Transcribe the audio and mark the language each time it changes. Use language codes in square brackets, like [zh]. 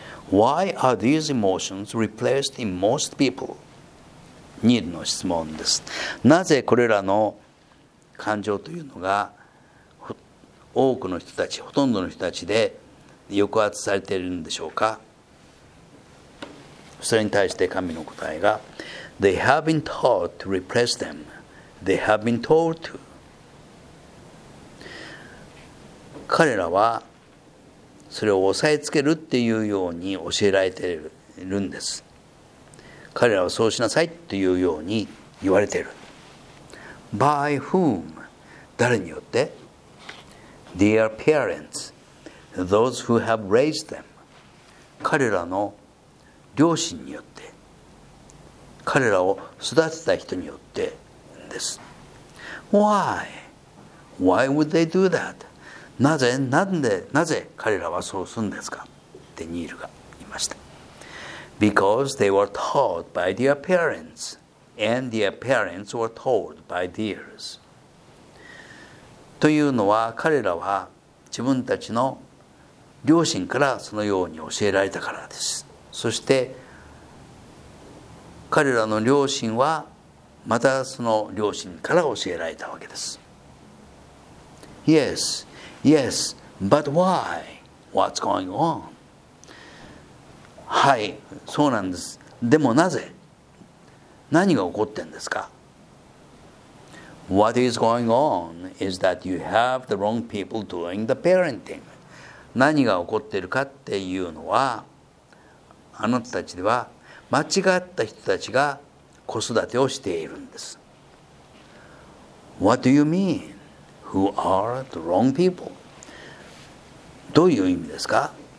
[en] Why are these emotions replaced in most people? [ja] 2の質問です。なぜこれらの感情というのが多くの人たち、ほとんどの人たちで抑圧されているんでしょうか。それに対して神の答えが、 [en] They have been taught to repress them. They have been told to. [ja] 彼らはそれを抑えつけるっていうように教えられているんです。彼らはそうしなさいというように言われている。 [en] By whom? [ja] 誰によって? [en] Their parents, those who have raised them. [ja] 彼らの両親によって。彼らを育てた人によってです。 [en] Why? Why would they do that? [ja] なぜ彼らはそうするんですか?デニールが言いました。 [en] Because they were taught by their parents, and their parents were told by theirs. [ja] というのは、彼らは自分たちの両親からそのように教えられたからです。そして、彼らの両親はまたその両親から教えられたわけです。 [en] Yes, yes, but why? What's going on? [ja] はい、そうなんです。でもなぜ? 何が起こってんですか? [en] What is going on is that you have the wrong people doing the parenting. [ja] 何が起こってるかっていうのは、あなたたちでは間違った人たちが子育てをしているんです。 [en] What do you mean? Who are the wrong people? [ja] どういう意味ですか?